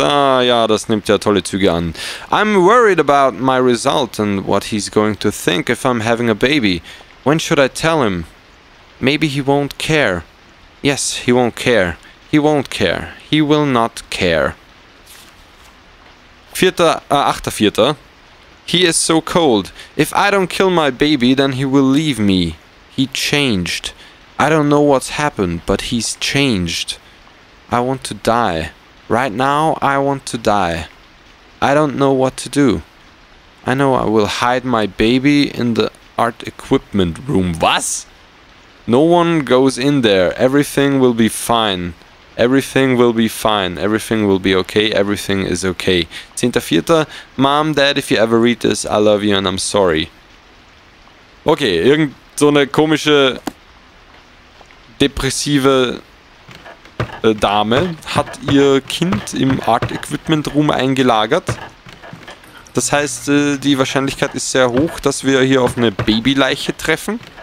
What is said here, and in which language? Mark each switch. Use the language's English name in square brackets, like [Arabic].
[German] Ah ja, das nimmt ja tolle Züge an. [English] I'm worried about my result and what he's going to think if I'm having a baby. When should I tell him? Maybe he won't care. Yes, he won't care. He won't care. He will not care. 8.4. He is so cold. If I don't kill my baby, then he will leave me. He changed. I don't know what's happened, but he's changed. I want to die. Right now, I want to die. I don't know what to do. I know I will hide my baby in the art equipment room. [German] Was? [English] No one goes in there. Everything will be fine. Everything will be fine. Everything will be okay. Everything is okay. 10.4. Mom, Dad, if you ever read this, I love you and I'm sorry. [German] Okay, irgend so eine komische, depressive Dame hat ihr Kind im Art-Equipment-Room eingelagert. Das heißt, die Wahrscheinlichkeit ist sehr hoch, dass wir hier auf eine Babyleiche treffen.